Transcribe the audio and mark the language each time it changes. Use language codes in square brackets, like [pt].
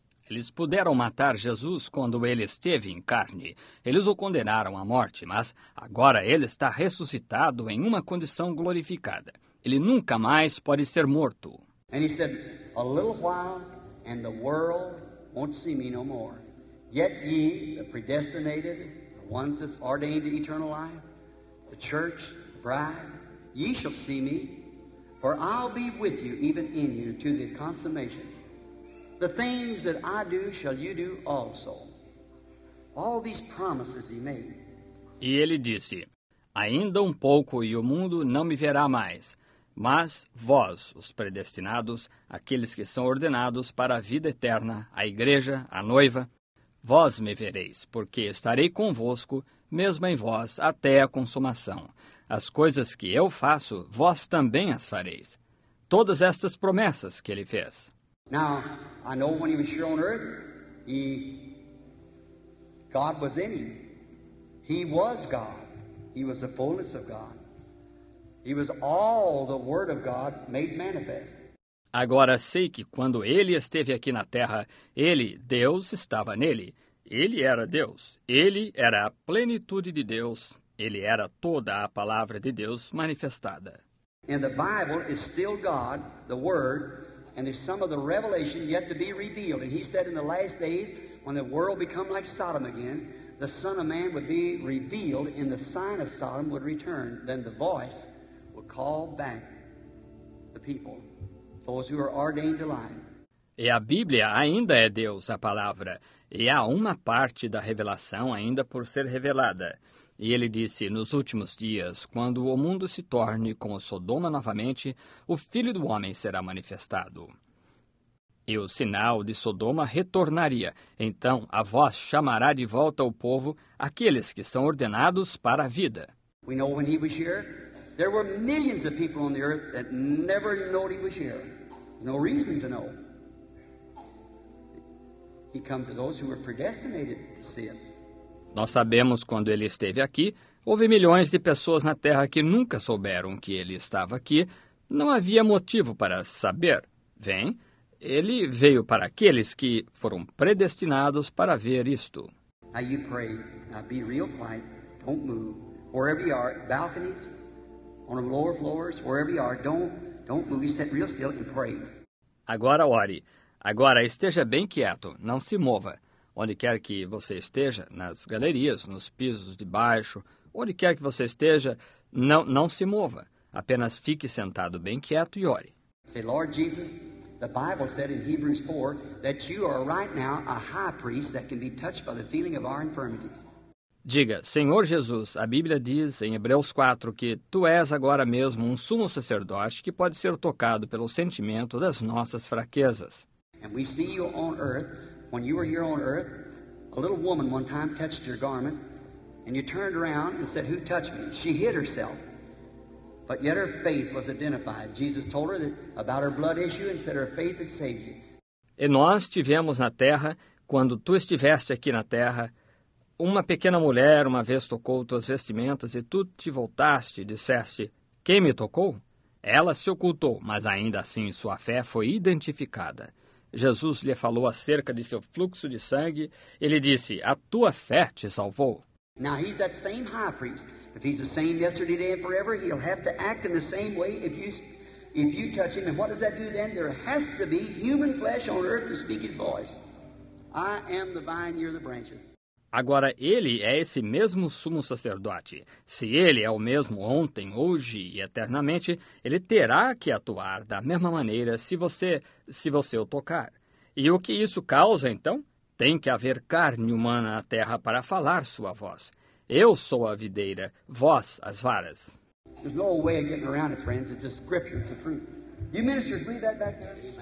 [pt] Eles puderam matar Jesus quando ele esteve em carne. Eles o condenaram à morte, mas agora ele está ressuscitado em uma condição glorificada. Ele nunca mais pode ser morto. [en] And he said, a little while, and the world won't see me no more. Yet ye, the predestinated, the ones that's ordained to eternal life, the church, the bride, ye shall see me. For I'll be with you, even in you, to the consummation. The things that I do shall you do also. All these promises he made. [pt] E ele disse, ainda pouco e o mundo não me verá mais, mas vós, os predestinados, aqueles que são ordenados para a vida eterna, a igreja, a noiva, vós me vereis, porque estarei convosco, mesmo em vós, até a consumação. As coisas que eu faço, vós também as fareis. Todas estas promessas que ele fez. [en] Now, I know when he was here on earth, God was in him. He was God. He was the fullness of God. He was all the Word of God made manifest. [pt] Agora sei que quando ele esteve aqui na terra, ele, Deus, estava nele. Ele era Deus. Ele era a plenitude de Deus. Ele era toda a palavra de Deus manifestada. [en] And the Bible is still God, the Word, and there's some of the revelation yet to be revealed. And he said in the last days, when the world become like Sodom again, the Son of Man would be revealed and the sign of Sodom would return. Then the voice would call back the people. Those who are ordained to life. [pt] E a Bíblia ainda é Deus, a palavra. E há uma parte da revelação ainda por ser revelada. E ele disse, nos últimos dias, quando o mundo se torne como Sodoma novamente, o Filho do Homem será manifestado. E o sinal de Sodoma retornaria. Então a voz chamará de volta ao povo aqueles que são ordenados para a vida. [en] We know when he was here. There were millions of people on the earth that never knew he was here. No reason to know. He came to those who were predestinated to see it. [pt] Nós sabemos quando ele esteve aqui, houve milhões de pessoas na terra que nunca souberam que ele estava aqui. Não havia motivo para saber. Vem, ele veio para aqueles que foram predestinados para ver isto. [en] Now you pray. Now be real quiet. Don't move. Wherever you are, balconies. On the lower floors, wherever you are, don't move. You sit real still and pray. [pt] Agora ore. Agora esteja bem quieto. Não se mova. Onde quer que você esteja, nas galerias, nos pisos de baixo, onde quer que você esteja, não se mova. Apenas fique sentado bem quieto e ore. [en] Say, Lord Jesus, the Bible said in Hebrews 4 that you are right now a high priest that can be touched by the feeling of our infirmities. [pt] Diga, Senhor Jesus, a Bíblia diz em Hebreus 4 que tu és agora mesmo um sumo sacerdote que pode ser tocado pelo sentimento das nossas fraquezas. [en] And we see you on earth, when you were here on earth, a little woman one time touched your garment, and you turned around and said, who touched me? She hid herself, but yet her faith was identified. Jesus told her that, about her blood issue and said her faith had saved you. [pt] E nós tivemos na terra, quando tu estiveste aqui na terra, uma pequena mulher uma vez tocou tuas vestimentas e tu te voltaste e disseste, quem me tocou? Ela se ocultou, mas ainda assim sua fé foi identificada. Jesus lhe falou acerca de seu fluxo de sangue. Ele disse, a tua fé te salvou. [en] Now he's that same high priest. If he's the same yesterday, today and forever, he'll have to act in the same way if you touch him. And what does that do then? There has to be human flesh on earth to speak his voice. I am the vine, you're the branches. [pt] Agora, ele é esse mesmo sumo sacerdote. Se ele é o mesmo ontem, hoje e eternamente, ele terá que atuar da mesma maneira se você o tocar. E o que isso causa, então? Tem que haver carne humana na terra para falar sua voz. Eu sou a videira, vós as varas. [en] There's no way of getting around it, friends. It's a scripture, it's a fruit. You ministers, leave that back there.